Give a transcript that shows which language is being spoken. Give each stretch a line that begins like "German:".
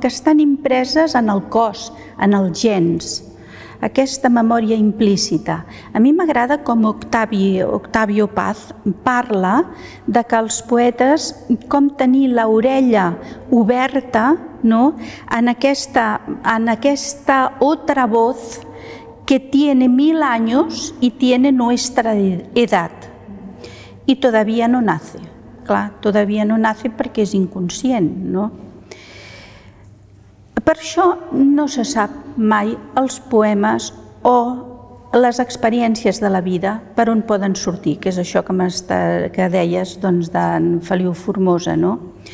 Catalan: Que estan impreses en el cos, en els gens, aquesta memòria implícita. A mi m'agrada com Octavio Paz parla de que els poetes, com tenir l'orella oberta, no? en aquesta
Spanish: otra voz que tiene mil años y tiene nuestra edad. I todavía no nace.
Catalan: Clar,
Spanish: todavía no nace
Catalan: perquè és inconscient, no? Per això no se sap mai els poemes o les experiències de la vida per on poden sortir, que és això que deies doncs, d'en Feliu Formosa. No?